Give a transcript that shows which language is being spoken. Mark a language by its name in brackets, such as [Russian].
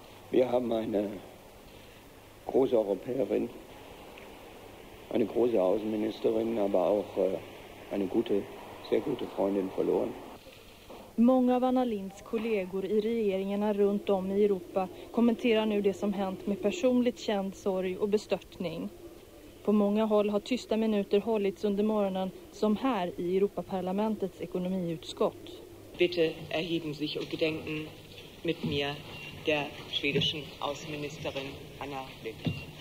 [German] Vi har en große Europäerin, en große Außenministerin, aber auch eine gute, sehr gute Freundin verloren. [Swedish] Många av Anna Lindhs kollegor i regeringarna runt om i Europa kommenterar nu det som hänt med personligt känd sorg och bestörtning. På många håll har tysta minuter hållits under morgonen, som här i Europaparlamentets ekonomiutskott. [German] Bitte erheben sich und gedenken mit mir der schwedischen Außenministerin Anna Lindh.